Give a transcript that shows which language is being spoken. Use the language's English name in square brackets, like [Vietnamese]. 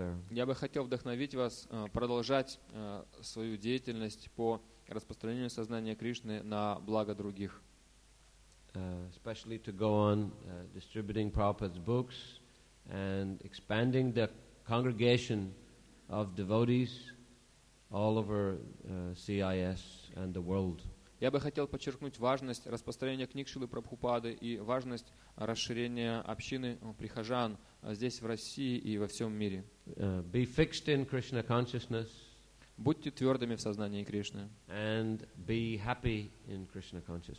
[Russian] Я бы хотел вдохновить вас продолжать свою деятельность по распространению сознания Кришны на благо других. [English] Especially to go on distributing Prabhupada's books and expanding the congregation of devotees all over CIS and the world. [Russian] Я бы хотел подчеркнуть важность распространения книг Шрилы Прабхупады и важность расширения общины прихожан здесь, в России и во всем мире. [English] Be fixed in Krishna consciousness. [Russian] Будьте твердыми в сознании Кришны. [English] And be happy in Krishna consciousness.